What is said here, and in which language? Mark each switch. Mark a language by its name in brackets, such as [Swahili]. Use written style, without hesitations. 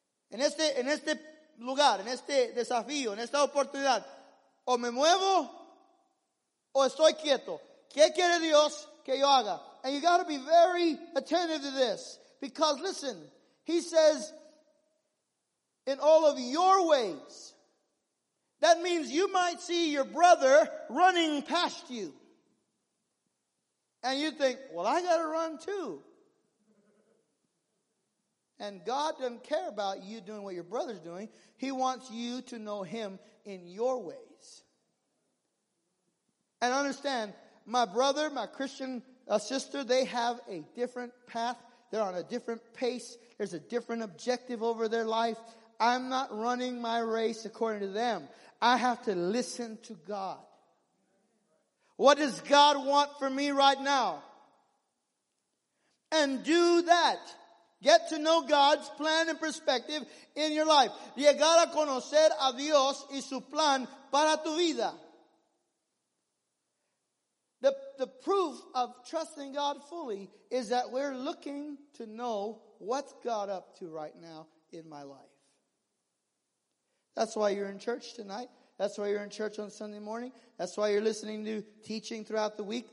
[Spanish] En este lugar, en este desafío, en esta oportunidad, o me muevo o estoy quieto. ¿Qué quiere Dios que yo haga? [English] And you got to be very attentive to this, because listen, he says, in all of your ways. That means you might see your brother running past you. And you think, well, I gotta run too. And God doesn't care about you doing what your brother's doing. He wants you to know him in your ways. And understand, my brother, my Christian sister, they have a different path. They're on a different pace. There's a different objective over their life. I'm not running my race according to them. I have to listen to God. What does God want for me right now? And do that. Get to know God's plan and perspective in your life. [Spanish] Llegar a conocer a Dios y su plan para tu vida. [English] The proof of trusting God fully is that we're looking to know what's God up to right now in my life. That's why you're in church tonight. That's why you're in church on Sunday morning. That's why you're listening to teaching throughout the week.